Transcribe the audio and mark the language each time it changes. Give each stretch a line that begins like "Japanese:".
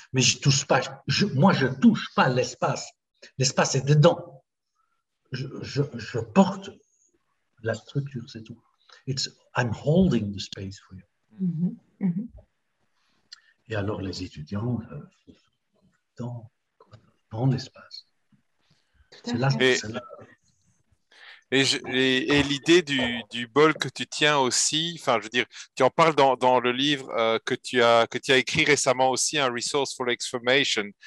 French: Mais je touche pas, je touche pas l'espace. L'espace est dedans. Je porte la structure, c'est tout.
English: It's, I'm holding the space for you. Mm-hmm.
French: Et alors les étudiants dans l'espace. Et l'idée du bol que tu tiens aussi, enfin je veux dire, tu en parles dans le livre que tu as écrit récemment aussi, un resource for exformation.